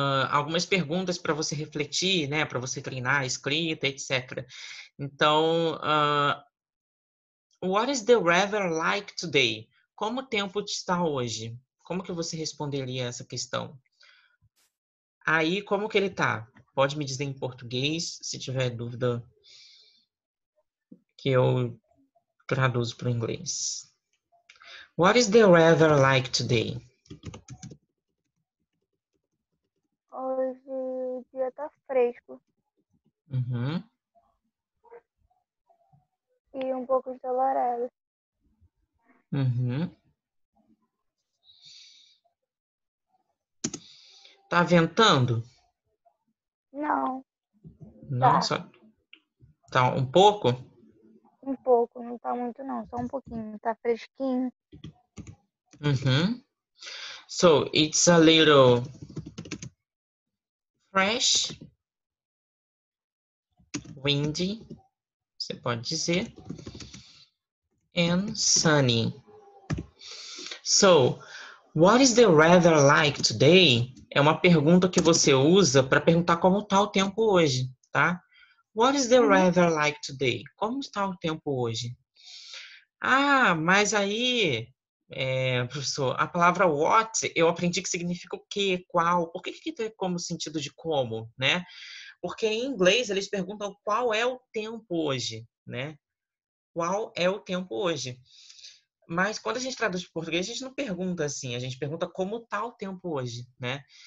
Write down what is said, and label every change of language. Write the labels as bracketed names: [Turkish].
[Portuguese] Algumas perguntas para você refletir, né? Para você treinar a escrita, etc. [English] Então, what is the weather like today? [Portuguese] Como o tempo está hoje? Como que você responderia essa questão? Aí, como que ele tá? Pode me dizer em português, se tiver dúvida, que eu traduzo para o inglês. [English] What is the weather like today? [Portuguese] Hoje o dia tá fresco e um pouco ensolarado. Tá ventando? Não, Não, tá só tá um pouco. um pouco, não tá muito não, só um pouquinho, tá fresquinho. [English] So it's a little fresh, windy, [Portuguese] você pode dizer, [English] and sunny. So, what is the weather like today? [Portuguese] É uma pergunta que você usa para perguntar como está o tempo hoje, tá? [English] What is the weather like today? [Portuguese] Como está o tempo hoje? Ah, mas aí, professor, a palavra what eu aprendi que significa o quê, qual. Por que que tem como sentido de como, né? Porque em inglês eles perguntam qual é o tempo hoje, né? Qual é o tempo hoje? Mas quando a gente traduz para português, a gente não pergunta assim, a gente pergunta como está o tempo hoje, né?